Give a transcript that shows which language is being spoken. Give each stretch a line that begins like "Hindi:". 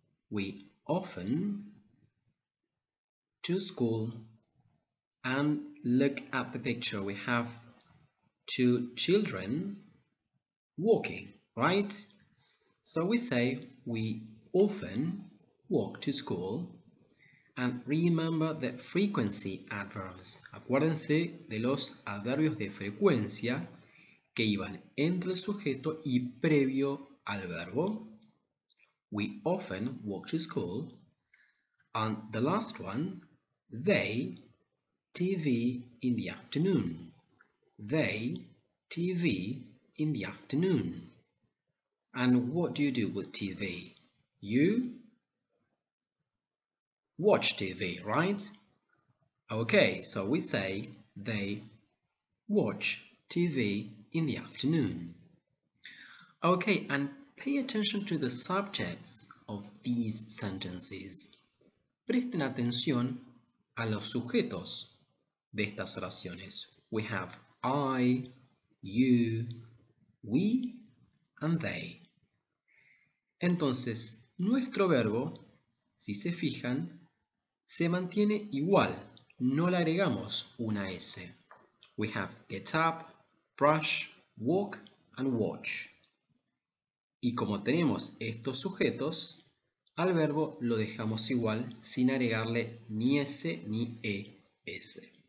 English: We often to school and look at the picture. We have two children walking, right? So we say we often walk to school, and remember the frequency adverbs.
Spanish: Acuérdense de los adverbios de frecuencia que iban entre el sujeto y previo al verbo.
English: We often walk to school. And the last one, they TV in the afternoon. They TV in the afternoon. And what do you do with TV? You watch TV, right? Okay, so we say they watch TV in the afternoon. Okay, and pay attention to the subjects of these sentences.
Spanish: Presten atención a los sujetos de estas oraciones.
English: We have I, you, we, and they.
Spanish: Entonces, nuestro verbo, si se fijan, se mantiene igual, no le agregamos una S.
English: We have get up, brush, walk, and watch.
Spanish: Y como tenemos estos sujetos, al verbo lo dejamos igual sin agregarle ni S ni ES.